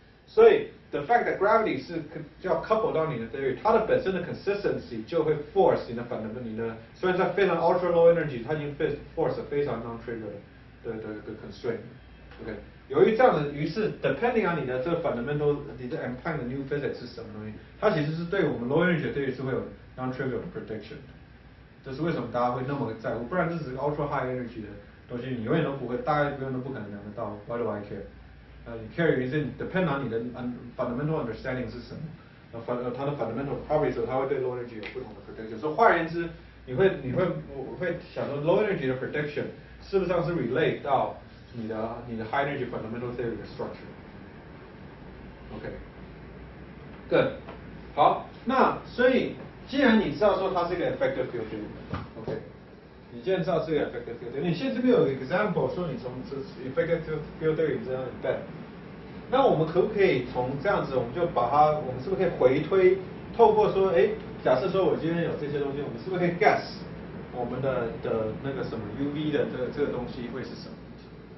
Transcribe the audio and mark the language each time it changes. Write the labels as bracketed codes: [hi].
[zh] 所以 [en] the fact that [zh] gravity 是要 couple 到你的 theory， 它的本身的 consistency 就会 force 你的 fundamental， 虽然在非常 [en] ultra low energy， [zh] 它已经 force 非常 non-trivial 的 constraint。 OK， 由于这样的，于是 [en] depending on [zh] 你的这个 fundamental， 你的 implying 的 new physics 是什么东西，它其实是对我们 low energy 的 theory 是会有 [en] non-trivial prediction [zh] 的。这是为什么大家会那么在乎，不然这只是 [en] ultra high energy [zh] 的东西，你永远都不会，大概永远都不可能量得到。 [en] Why do I care？ [zh] 你 carry 原因 [en] depend on [zh] 你的 fundamental understanding 是什么，它的 [en] fundamental properties [zh] 它会对 low energy 有不同的 prediction。所以换言之，你会想说 low energy 的 prediction 是不是像是 relate 到你的 high energy fundamental theory 的 structure？ OK， good， 好，那所以既然你知道说它是一个 [en] effective field theory， [zh] OK， 你既然知道这个 effective field theory， 你现在这边有 example 说你从这 effective field theory 这样 embed， 那我们可不可以从这样子，我们就把它，我们是不是可以回推，透过说，哎，假设说我今天有这些东西，我们是不是可以 guess 我们的那个什么 UV 的这个东西会是什么问题？